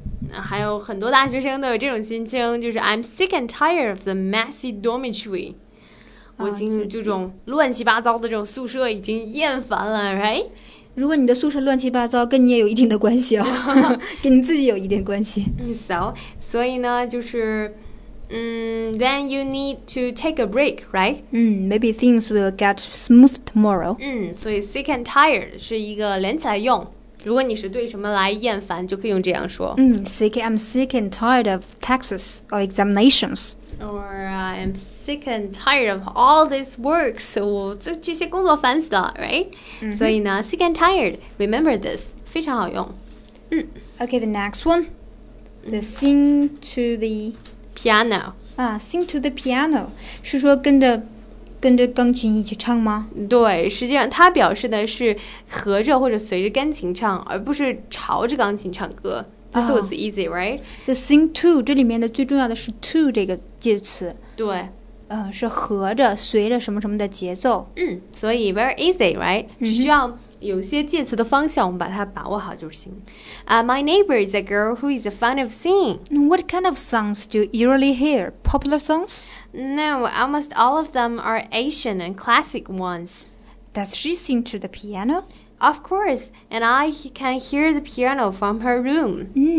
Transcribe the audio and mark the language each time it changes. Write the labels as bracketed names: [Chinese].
[Chinese] 还有很多大学生都有这种心情，就是 I'm sick and tired of the messy dormitory，我已经这种乱七八糟的这种宿舍已经厌烦了 right？如果你的宿舍乱七八糟，跟你也有一定的关系哦，跟你自己有一定关系。 [English] 所以呢，就是， then you need to take a break, right? Maybe things will get smooth tomorrow. [Chinese] 所以 sick and tired 是一个连起来用。如果你是对什么来厌烦，就可以用这样说。 [English] I'm sick and tired of taxes or examinations. Or I'm sick and tired of all this work. [Chinese] So 这些工作烦死了 right? 所以呢 sick and tired, remember this, 非常好用。 [English] Okay, the next one. The sing to the piano. [Chinese] Sing to the piano 是说跟着跟着钢琴一起唱吗？对，实际上他表示的是合着或者随着钢琴唱，而不是朝着钢琴唱歌。 [English] This was easy, right? [Chinese] So sing to, 这里面的最重要的是 to 这个介词。对。是合着随着什么什么的节奏。嗯，所以 very easy, right? 只需要有些介词的方向我们把它把握好就行。 [English] My neighbor is a girl who is a fan of singing. What kind of songs do you usually hear? Popular songs? No, almost all of them are Asian and classic ones. Does she sing to the piano? Of course, and I can hear the piano from her room.